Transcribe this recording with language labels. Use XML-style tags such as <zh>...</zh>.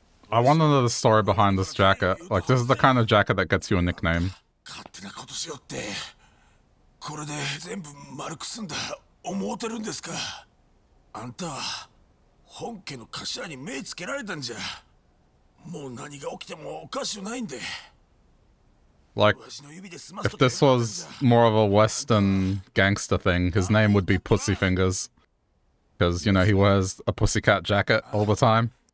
<en>I want to know the story behind this jacket. Like, this is the kind of jacket that gets you a nickname.</en> <ja>勝手なことしよって、これで全部丸く済んだ思ってるんですか。あんたは本家の頭に目つけられたんじゃ。もう何が起きてもおかしくないんで。</ja> <en>Like, if this was more of a Western gangster thing, his name would be Pussy Fingers. Because, you know, he wears a pussycat jacket all the time.</en>